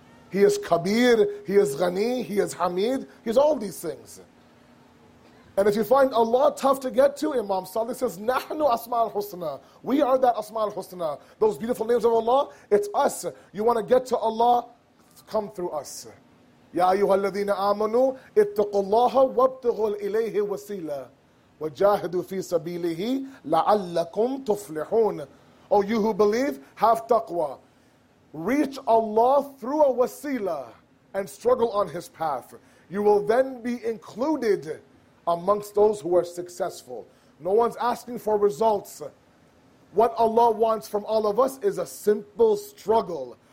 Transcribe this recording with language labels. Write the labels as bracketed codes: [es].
[en] He is Kabir, He is Ghani, He is Hamid, He's all these things. And if you find Allah tough to get to, Imam Salih says, Nahnu Asma al-Husna. We are that Asma al-Husna. Those beautiful names of Allah, it's us. You want to get to Allah, come through us. [ar] يا أيها الذين آمنوا اتقوا الله وابتغوا إليه وسيلة وجاهدوا في سبيله لعلكم تفلحون. [en] Oh, you who believe, have taqwa. Reach Allah through a wasila and struggle on his path. You will then be included amongst those who are successful. No one's asking for results. What Allah wants from all of us is a simple struggle.